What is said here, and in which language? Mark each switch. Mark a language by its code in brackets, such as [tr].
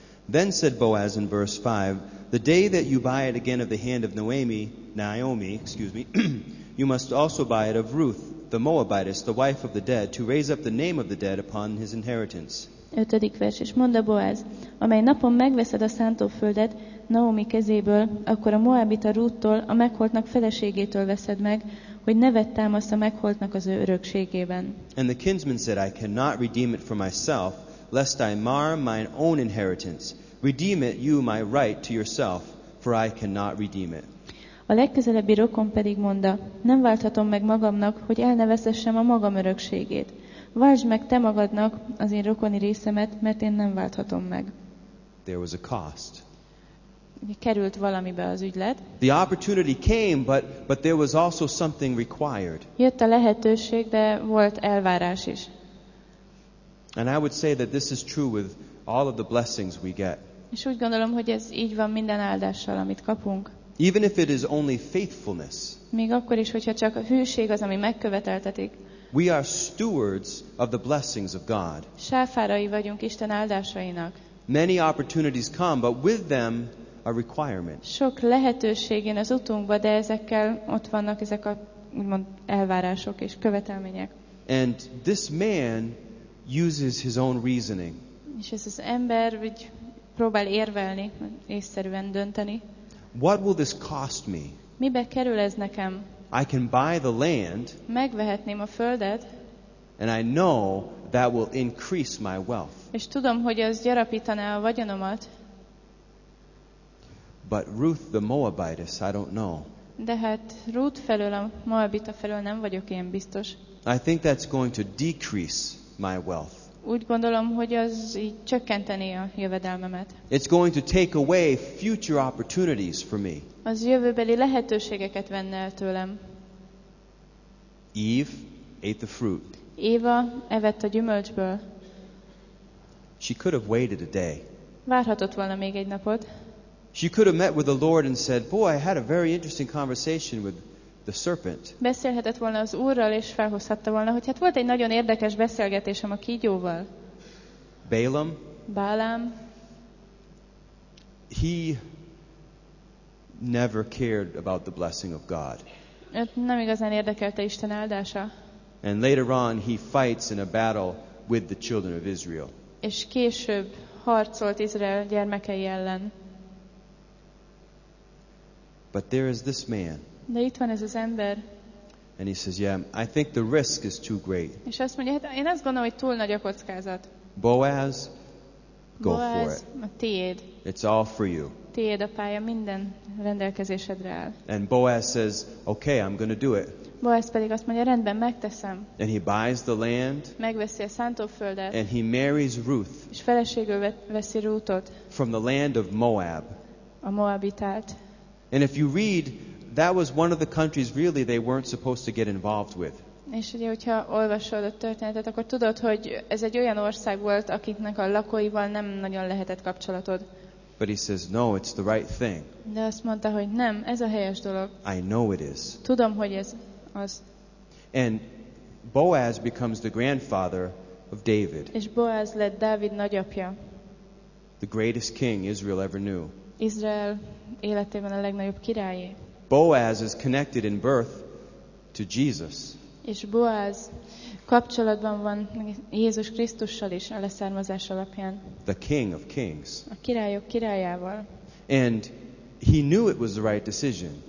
[en] Then said Boaz in verse 5, the day that you buy it again of the hand of Naomi, you must also buy it of Ruth, the Moabitess, the wife of the dead, to raise up the name of the dead upon his inheritance. [hu] 5. vers, és mondta Boaz, amely napon megveszed a szántóföldet Naomi kezéből, akkor a Moabita Ruth-tól, a megholtnak feleségétől veszed meg, hogy nevet támaszt a megholtnak az ő örökségében. [en] And the kinsman said, I cannot redeem it for myself, lest I mar mine own inheritance. Redeem it, you, my right to yourself, for I cannot redeem it. [hu] A legközelebbi rokon pedig mondta, nem válthatom meg magamnak, hogy elnevezessem a magam örökségét. Váltsd meg te magadnak az én rokoni részemet, mert én nem válthatom meg. [en] There was a cost. [hu] Került valamibe az ügylet. [en] The opportunity came, but there was also something required. [hu] Jött a lehetőség, de volt elvárás is. [en] And I would say that this is true with all of the blessings we get. [hu] És úgy gondolom, hogy ez így van minden áldással, amit kapunk. [en] Even if it is only faithfulness. [hu] Még akkor is, hogyha csak a hűség az, ami megköveteltetik. [en] We are stewards of the blessings of God. [hu] Sáfárai vagyunk Isten áldásainak. [en] Many opportunities come, but with them a requirement. [hu] Sok lehetőség jön az utunkba, de ezekkel ott vannak ezek a úgymond elvárások és követelmények. [en] And this man uses his own reasoning. [hu] És ez az ember, hogy próbál érvelni, észszerűen dönteni. [en] What will this cost me? [hu] Mibe kerül ez nekem? [en] I can buy the land. [hu] Megvehetném a földet. [en] And I know that will increase my wealth. [hu] És tudom, hogy az gyarapítaná a vagyonomat. [en] But Ruth the Moabitess, I don't know. [hu] De hát Ruth felől, a Moabita felől nem vagyok én biztos. [en] I think that's going to decrease my wealth. [hu] Úgy gondolom, hogy az így csökkenteni a jövedelmemet. [en] It's going to take away future opportunities for me. [hu] Az jövőbeli lehetőségeket venne el tőlem. [en] Eve ate the fruit. [hu] Éva evett a gyümölcsből. [en] She could have waited a day. [hu] Várhatott volna még egy napot. [en] She could have met with the Lord and said, "Boy, I had a very interesting conversation with the serpent. [hu] Beszélhetett volna az Úrral, és felhozhatta volna, hogy hát volt egy nagyon érdekes beszélgetésem a kígyóval. [en] Balaam. [hu] Balaam. [en] He never cared about the blessing of God. [hu] Őt nem igazán érdekelte Isten áldása. [en] And later on he fights in a battle with the children of Israel. [hu] És később harcolt Izrael gyermekei ellen. [en] But there is this man. [hu] De itt van ez az ember. [en] And he says, yeah, I think the risk is too great. [hu] És azt mondja, hát én azt gondolom, hogy túl nagy a kockázat. [en] Boaz, go [hu] Boaz, [en] for it. [hu] Tiéd. [en] It's all for you. [hu] Tiéd a pálya, minden rendelkezésedre áll. [en] And Boaz says, okay, I'm going to do it. [hu] Boaz pedig azt mondja, rendben, megteszem. [en] And he buys the land. [hu] Megveszi a szántóföldet. [en] And he marries Ruth. [hu] És feleségül veszi Ruthot. [en] From the land of Moab. [hu] A Moabitát. [en] And if you read, that was one of the countries really they weren't supposed to get involved with. [hu] És ugye, hogyha olvasod a történetet, akkor tudod, hogy ez egy olyan ország volt, akiknek a lakóival nem nagyon lehetett kapcsolatod. [en] But he says, no, it's the right thing. [hu] De azt mondta, hogy nem, ez a helyes dolog. [en] I know it is. [hu] Tudom, hogy ez az. [en] And Boaz becomes the grandfather of David. [hu] És Boaz lett Dávid nagyapja. [en] The greatest king Israel ever knew. [hu] Izrael életében a legnagyobb királyé. [en] Boaz is connected in birth to Jesus. [hu] És Boaz kapcsolatban van Jézus Krisztussal is a leszármazás alapján. [en] The King of Kings. [hu] A királyok királyával. [en] And he knew it was the right decision.